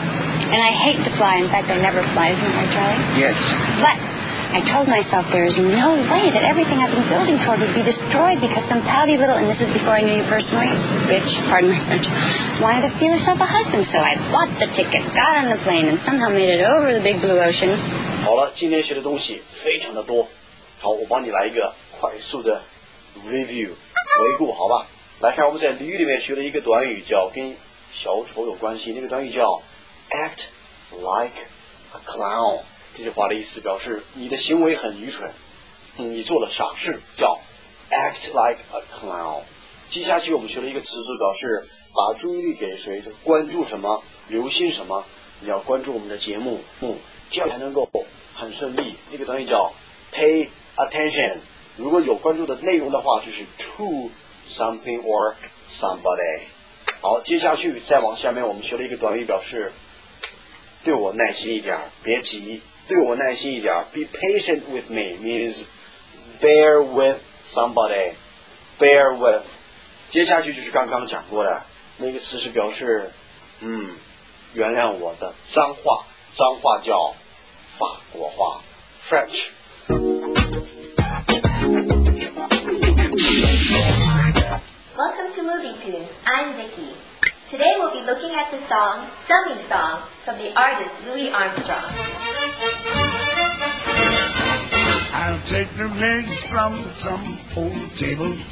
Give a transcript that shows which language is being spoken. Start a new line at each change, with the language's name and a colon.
English: And I hate to fly. In fact, I never fly. Isn't that right, Charlie? Yes. But I told myself there is no way that everything I've been building toward would be destroyed because some pouty little, and this is before I knew you personally, bitch, pardon my French, wanted to steal herself a husband. So I bought the ticket, got on the plane, and somehow made it over the big blue ocean.
Chinese: 好了，今天学的东西非常的多。好，我帮你来一个快速的 review, 回顾，好吧。来看我们在俚语里面学了一个短语叫跟小丑有关系，那个短语叫
English: act like a clown,
Chinese: 这句话的意思表示你的行为很愚蠢，你做了傻事，叫 act like a clown。接下去我们学了一个词组表示把注意力给谁，关注什么，留心什么，你要关注我们的节目，这样才能够很顺利，那个短语叫
English: pay attention,
Chinese: 如果有关注的内容的话就是
English: toSomething or somebody.
Chinese: 好，接下去再往下面我们学了一个短语表示对我耐心一点，别急，对我耐心一点。
English: Be patient with me means bear with somebody. Bear with.
Chinese: 接下去就是刚刚讲过的那个词是表示原谅我的脏话，脏话叫法国话， French.
English: Welcome to Moving Tunes, I'm Vicky. Today we'll be looking at the song, Summing Song, from the artist Louis Armstrong. I'll take the legs from some old table.